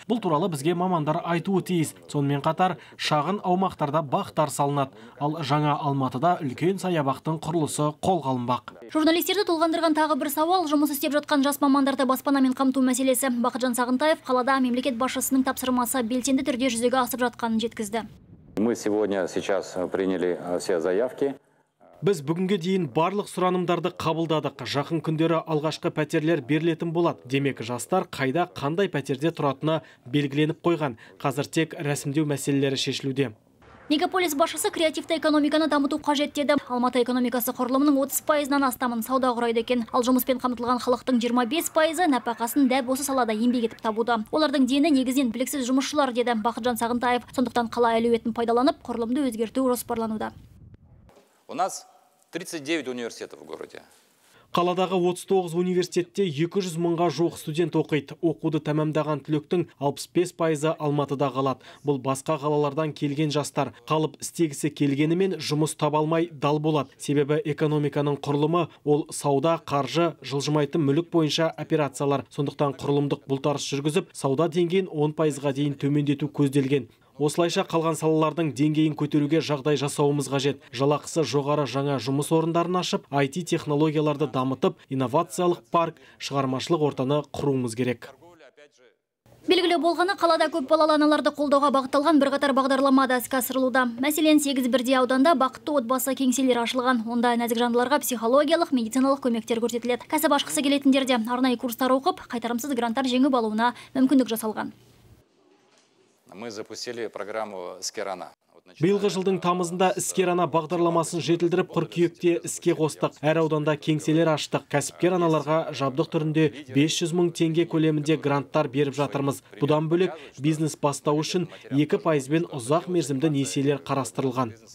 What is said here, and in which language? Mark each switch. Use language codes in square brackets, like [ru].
[kk] Бұл туралы бізге мамандар айтуы тиіс. Сонымен қатар, шағын аумақтарда бақтар салынады. Ал жаңа Алматыда үлкен саябақтың құрылысы қолға алынбақ. Журналистерді толғандырған тағы бір сауал жұмыс істеп жатқан жас мамандарды баспанамен қамту мәселесі. Бақытжан Сағынтаев қалада мемлекет басшысының тапсырмасы белсенді түрде жүзеге асып жатқанын жеткізді. [ru] Мы сегодня сейчас приняли все заявки. [kk] Біз бүгінге дейін барлық сұранымдарды қабылдадық. Жақын күндері алғашқы пәтерлер берілетін болады. Демек, жастар қайда қандай пәтерде тұратыны белгіленіп қойған. Қазір тек рәсімдеу мәселелері шешілуде. Мегаполис басшысы креативті экономиканы дамыту қажет деді. Алматы экономикасы құрылымының 30%-нан астамын сауда құрайды екен. Ал жұмыспен қамтылған халықтың 25%-ы нәпақасын дәп осы салада еңбек етіп табуда. Олардың дені негізінен біліксіз жұмысшылар деді Бақытжан Сағынтаев. Сондықтан қала әлеуетін пайдаланып, құрылымды өзгерту жоспарлануда. [ru] У нас 39 университетов в городе. [kk] Қаладағы 39 университетте 200 мыңға жоқ студент оқиды. Оқуды тәмамдаған түлектің 65%-ы Алматыда қалады. Бұл басқа қалалардан келген жастар. Қалып істегісі келгенімен жұмыс таба алмай дал болады. Себебі экономиканың құрылымы ол сауда, қаржы, жылжымайтын мүлік бойынша операциялар. Сондықтан құрылымдық бұлтарыс жүргізіп, сауда деңгейін 10%-ға дейін төмендету көзделген. Осылайша қалған салалардың деңгейін көтеруге жағдай жасауымыз қажет. Жалақысы жоғары жаңа жұмыс орындарын ашып, IT технологияларды дамытып, инновациялық парк, шығармашылық ортаны құруымыз керек. Белгілі болғаны, қалада көп балалы аналарды қолдауға бағытталған бірқатар бағдарлама да іске асырылуда. Мәселен, 8-1 ауданда бақытты отбасы кеңселері ашылған. Онда нәзік жандыларға психологиялық, медициналық көмектер көрсетіледі. Кәсіп ашқысы келетіндерде арнайы курстар оқып, қайтарымсыз гранттар жеңіп алуына мүмкіндік жасалған. [ru] Мы запустили программу «Скерана». [kk] Биылғы жылдың тамызында «Скерана» бағдарламасын жетілдіріп, қыркүйекте іске қостық. Әр ауданда кеңселер аштық. Кәсіпкер аналарға жабдық түрінде 500 мың тенге көлемінде гранттар беріп жатырмыз. Бұдан бөлек бизнес бастау үшін 2%-бен ұзақ мерзімді несиелер қарастырылған.